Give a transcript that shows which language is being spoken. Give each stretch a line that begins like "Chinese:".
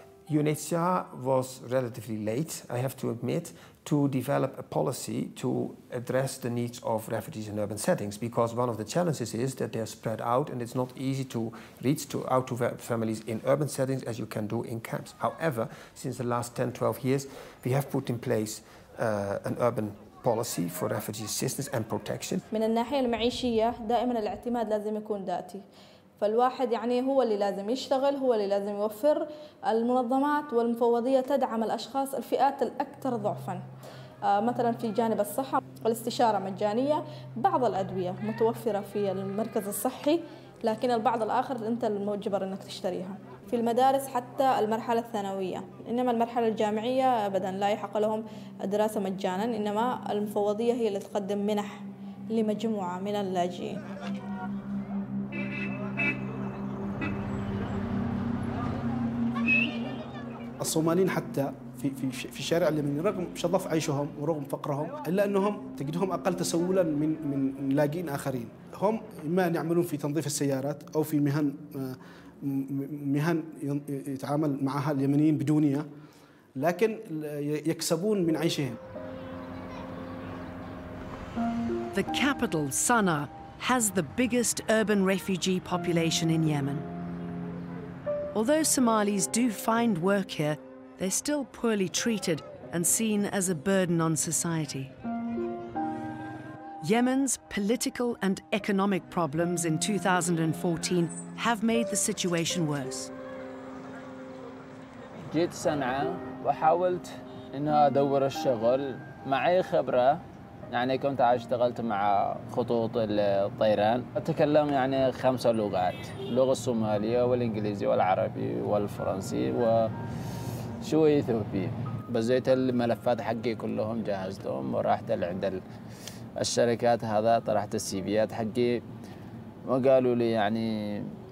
English: UNHCR was relatively late, I have to admit, to develop a policy to address the needs of refugees in urban settings, because one of the challenges is that they are spread out and it's not easy to reach to, out to families in urban settings as you can do in camps. However, since the last 10, 12 years, we have put in place an urban policy for refugee assistance and protection.
Arabic: من الناحية المعيشية دائما الاعتماد لازم يكون ذاتي. فالواحد يعني هو اللي لازم يشتغل هو اللي لازم يوفر المنظمات والمفوضية تدعم الأشخاص الفئات الأكثر ضعفاً مثلا في جانب الصحة والاستشارة مجانية بعض الأدوية متوفرة في المركز الصحي لكن البعض الآخر أنت المجبر أنك تشتريها في المدارس حتى المرحلة الثانوية إنما المرحلة الجامعية أبداً لا يحق لهم دراسة مجاناً إنما المفوضية هي اللي تقدم منح لمجموعة من اللاجئين الصوماليين حتى في في في الشارع اليمني رغم شظف عيشهم ورغم فقرهم الا انهم تجدهم اقل تسولا من من لاجئين اخرين هم اما ان يعملون في تنظيف السيارات او في مهن يتعامل معها اليمنيين بدونها لكن يكسبون من عيشهم
English: The capital Sana'a has the biggest urban refugee population in Yemen Although Somalis do find work here, they're still poorly treated and seen as a burden on society. Yemen's political and economic problems in 2014 have made the situation worse.
Arabic: جيت صنعاء وحاولت إن أدور الشغل معي خبرة يعني كنت اشتغلت مع خطوط الطيران اتكلم يعني خمسة لغات اللغة الصومالية والانجليزي والعربي والفرنسي وشوي اثيوبي بزيت الملفات حقي كلهم جهزتهم ورحت عند الشركات هذا طرحت السي فيات حقي وقالوا لي يعني